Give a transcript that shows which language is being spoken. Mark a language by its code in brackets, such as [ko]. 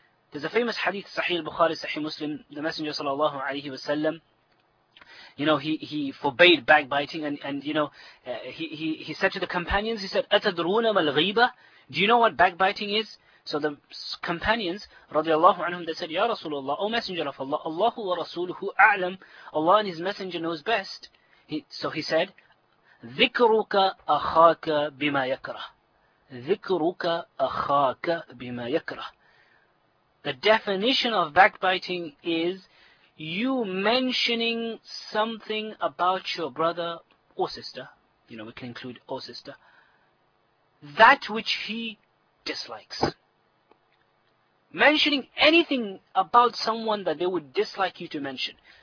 [en] There's a famous hadith, Sahih al-Bukhari, Sahih Muslim, the Messenger sallallahu alayhi wa sallam, you know, he forbade backbiting and he said to the companions, he said, [ar] أَتَدْرُونَ مَا الْغِيبَ? [en] Do you know what backbiting is? So the companions, radiallahu anhum, they said, Ya Rasulullah, O Messenger of Allah, [ar] Allahu wa Rasuluhu a'lam, [en] Allah and His Messenger knows best. [ar] So he said, ذِكْرُكَ أَخَاكَ بِمَا يَكْرَهُ ذِكْرُكَ أَخَاكَ بِمَا يَكْرَهُ. [en] The definition of backbiting is you mentioning something about your brother or sister, you know, we can include or sister, that which he dislikes. Mentioning anything about someone that they would dislike you to mention.